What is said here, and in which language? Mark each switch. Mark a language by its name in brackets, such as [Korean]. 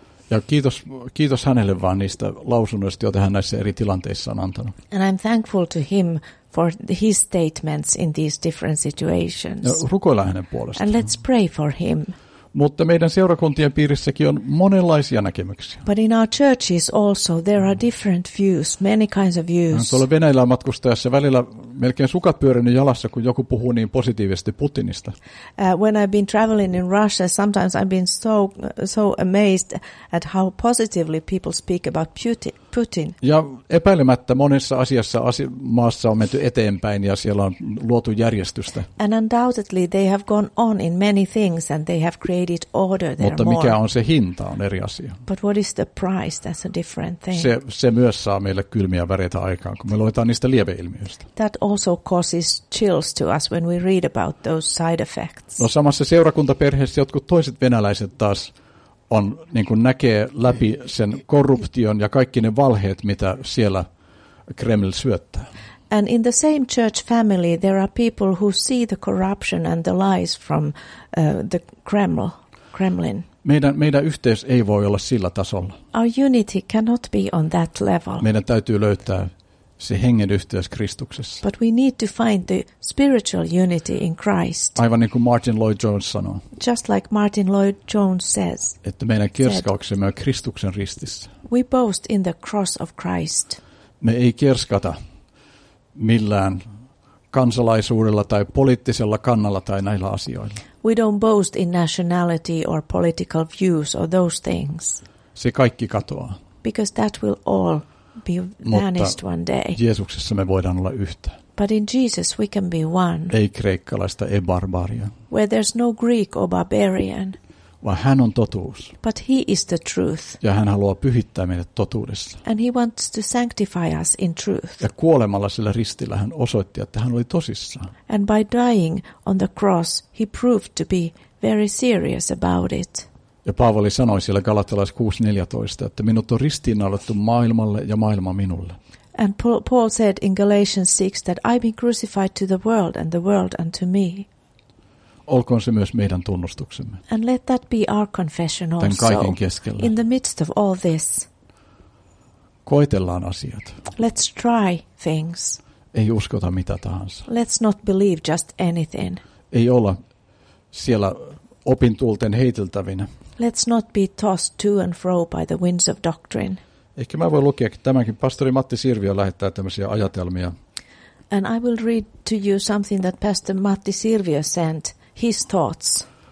[Finnish] Ja kiitos hänelle vaan niistä lausunnoista, joita hän näissä eri tilanteissa on antanut. [English] And I'm thankful to him for his statements in these different situations. [Finnish] Ja rukoillaan hänen puolestaan. [English] And let's pray for him. [Finnish] Mutta meidän seurakuntien piirissäkin on monenlaisia näkemyksiä. [English] But in our churches also there are different views, many kinds of views. [Finnish] Tuolla Venäjällä matkustajassa välillä melkein sukat pyörinyt jalassa, kun joku puhuu niin positiivisesti Putinista. [English] When I've been traveling in Russia, sometimes I've been so amazed at how positively people speak about Putin. [Finnish] Ja epäilemättä monessa asiassa maassa on menty eteenpäin ja siellä on luotu järjestystä. [English] And undoubtedly they have gone on in many things and they have created order there. [Finnish] Mutta mikä [English] more. [Finnish] On se hinta on eri asia. [English] But what is the price? That's a different thing. [Finnish] Se myös saa meille kylmiä väreitä aikaan, kun me luetaan niistä lieveilmiöistä. [English] That also causes chills to us when we read about those side effects. [Finnish] No samassa seurakuntaperheessä jotkut toiset venäläiset taas on niin kuin näkee läpi sen korruption ja kaikki ne valheet, mitä siellä Kreml syöttää. [English] And in the same church family there are people who see the corruption and the lies from the Kremlin. [Finnish] Meidän yhteys ei voi olla sillä tasolla. [English] Our unity cannot be on that level. [Finnish] Meidän täytyy löytää se hengen yhteys Kristuksessa. [English] But we need to find the spiritual unity in Christ. [Finnish] Aivan niin kuin Martin Lloyd-Jones sanoo. [English] Just like Martin Lloyd-Jones says. [Finnish] Että meidän kirskauksemme on Kristuksen ristissä. [English] We boast in the cross of Christ. [Finnish] Me ei kirskata millään kansalaisuudella tai poliittisella kannalla tai näillä asioilla. [English] We don't boast in nationality or political views or those things. [Finnish] Se kaikki katoaa. [English] Because that will all be vanished one day. [Finnish] Jeesuksessa me voidaan olla yhtä. [English] But in Jesus we can be one. [Finnish] Ei kreikkalaista, ei barbaria. [English] Where there's no Greek or barbarian. [Finnish] Vaan hän on totuus. [English] But he is the truth. [Finnish] Ja hän haluaa pyhittää meidät totuudessa. [English] And he wants to sanctify us in truth. [Finnish] Ja kuolemalla sillä ristillä hän osoitti, että hän oli tosissaan. [English] And by dying on the cross he proved to be very serious about it. [Finnish] Ja Paavali sanoi siellä Galatalais 6:14, että minut on ristiinnaulittu maailmalle ja maailma minulle. [English] And Paul said in Galatians 6 that I've been crucified to the world and the world unto me. [Finnish] Olkoon se myös meidän tunnustuksemme. [English] And let that be our confession also. [Finnish] Tämän kaiken keskellä. [English] In the midst of all this. [Finnish] Koitellaan asiat. [English] Let's try things. [Finnish] Ei uskota mitä tahansa. [English] Let's not believe just anything. [Finnish] Ei olla siellä opintuulten heiteltävinä. [English] Let's not be tossed to and fro by the winds of doctrine. [Finnish] Ehkä mä voin lukea tämänkin. Pastori Matti Sirviö lähettää tämmöisiä ajatelmia. [English] And I will read to you something that Pastor Matti Sirviö sent, his thoughts.